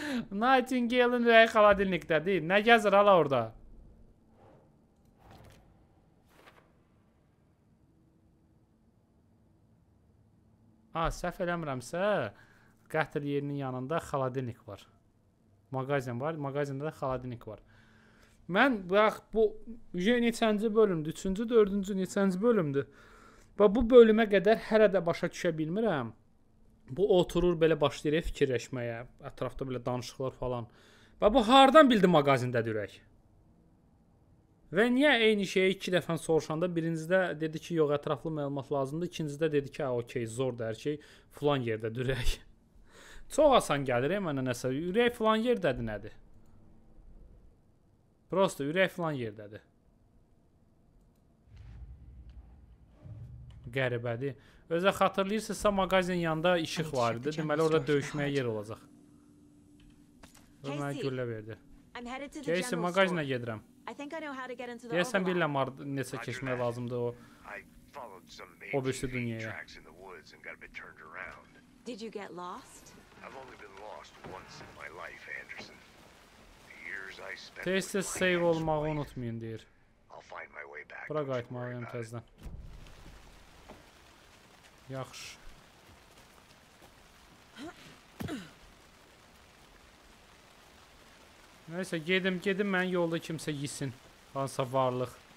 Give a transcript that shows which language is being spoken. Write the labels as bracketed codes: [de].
[az] Nightingale'in ürəyi xaladilnikdədir. Nə gəzir hala orada? Səhv eləmirəmsə, qətl yerinin yanında xaladinik var. Maqazin var, maqazində də xaladinik var. Mən, bax, bu neçənci bölümdür, üçüncü, dördüncü, neçənci bölümdür. Və bu bölümə qədər hələ də başa düşə bilmirəm. Bu oturur belə başlayır fikirləşməyə, ətrafda belə danışıqlar falan. Və bu hardan bildi maqazindədir ürək? Və niyə eyni şeyi iki dəfən soruşanda birincidə dedi ki, yox, ətraflı məlumat lazımdır. İkincidə dedi ki, okey, zordur hər şey, filan yerdə ürək. Çox asan gəlir, mənə nəsə, ürək filan yerdədir nədir? Prosto ürək filan yerdədir. Qəribədir. Özə xatırlayırsınızsa mağazın yanında işıq var idi. Deməli orada döyüşməyə yer olacaq. O mənə güllə verdi. Casey, mağazına gedirəm. Deyəsən bilirəm necə keçmək lazımdır o. O birisi dünyaya. [en] Did you get lost? I've only been lost once in my life, Anderson. The years I spent. [az] Tez-tez save olmağı unutmayın deyir. Bura qayıtmalıyam tezdən. Yaxşı. Neyse gedim gedim mən yolda kimsə yisin. Hansa varlıq.